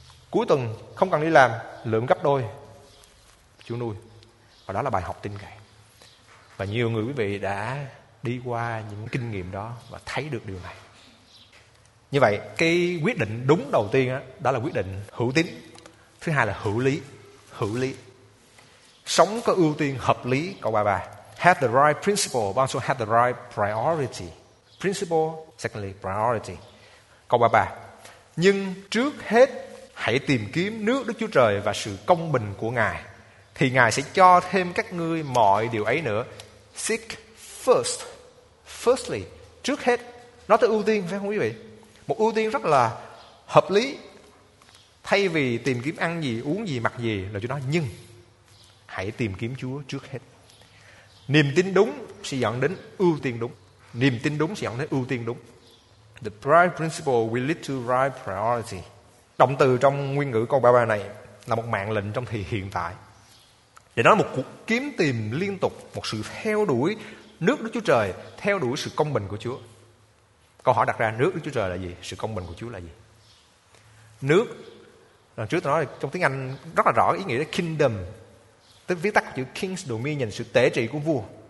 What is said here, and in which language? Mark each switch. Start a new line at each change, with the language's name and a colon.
Vietnamese: Cuối tuần không cần đi làm, lượm gấp đôi Chúa nuôi. Và đó là bài học tin cậy. Và nhiều người quý vị đã đi qua những kinh nghiệm đó và thấy được điều này. Như vậy cái quyết định đúng đầu tiên đó, đó là quyết định hữu tín. Thứ hai là hữu lý. Hữu lý, sống có ưu tiên hợp lý. Câu 33,
English: have the right principle, but also have the right priority. Principle, secondly priority.
Vietnamese: Câu 33, nhưng trước hết hãy tìm kiếm nước Đức Chúa Trời và sự công bình của Ngài, thì Ngài sẽ cho thêm các ngươi mọi điều ấy nữa.
English: Seek first. Firstly,
Vietnamese: trước hết. Nó tới ưu tiên phải không quý vị? Một ưu tiên rất là hợp lý. Thay vì tìm kiếm ăn gì, uống gì, mặc gì, là Chúa nói nhưng hãy tìm kiếm Chúa trước hết. Niềm tin đúng sẽ dẫn đến ưu tiên đúng. Niềm tin đúng sẽ dẫn đến ưu tiên đúng.
English: The right principle will lead to right priority.
Vietnamese: Động từ trong nguyên ngữ câu 33 này là một mạng lệnh trong thì hiện tại, để nói một cuộc kiếm tìm liên tục, một sự theo đuổi nước Đức Chúa Trời, theo đuổi sự công bình của Chúa. Câu hỏi đặt ra, nước Đức Chúa Trời là gì? Sự công bình của Chúa là gì? Nước, lần trước tôi nói trong tiếng Anh rất là rõ ý nghĩa là kingdom, tức viết tắt của chữ king's dominion, sự tể trị của vua.